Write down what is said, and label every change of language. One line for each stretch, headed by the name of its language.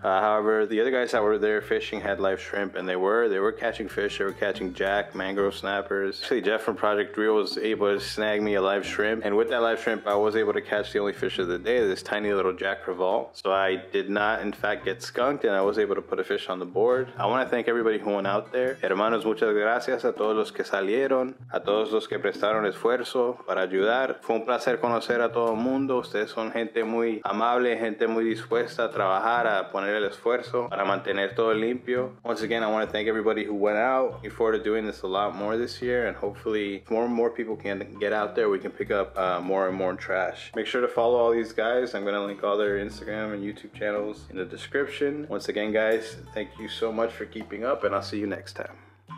English: However, the other guys that were there fishing had live shrimp, and they were catching fish. They were catching jack, mangrove snappers. Actually, Jeff from ProjectReel was able to snag me a live shrimp, and with that live shrimp, I was able to catch the only fish of the day, this tiny little jack crevalle. So I did not, in fact, get skunked, and I was able to put a fish on the board. I want to thank everybody who went out there.
Spanish: Hermanos, muchas gracias a todos los que salieron, a todos los que prestaron esfuerzo para ayudar. Fue un placer conocer a todo el mundo. Ustedes son gente muy amable, gente muy dispuesta a trabajar, a poner el esfuerzo para mantener todo limpio.
English: Once again, I want to thank everybody who went out. Looking forward to doing this a lot more this year, and hopefully more and more people can get out there. We can pick up more and more trash. Make sure to follow all these guys. I'm going to link all their Instagram and YouTube channels in the description. Once again, guys, thank you so much for keeping up, and I'll see you next time.